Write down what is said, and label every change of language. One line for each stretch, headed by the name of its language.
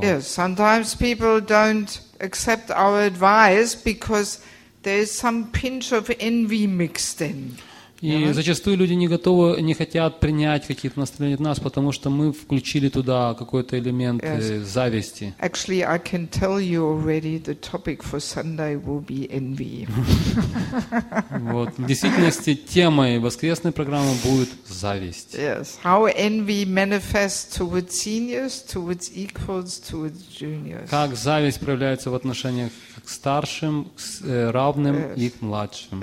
English: Yes, sometimes people don't accept our advice because there is some pinch of envy mixed in.
Russian: И зачастую люди не готовы, не хотят принять какие-то наставления от нас, потому что мы включили туда какой-то элемент зависти.
English: Actually, I can tell you already, the topic for Sunday will be envy.
Russian: Вот, в действительности темой воскресной программы будет зависть.
English: Yes, how envy manifests towards seniors, towards equals, towards juniors.
Russian: Как зависть проявляется в отношениях к старшим, к равным и к младшим.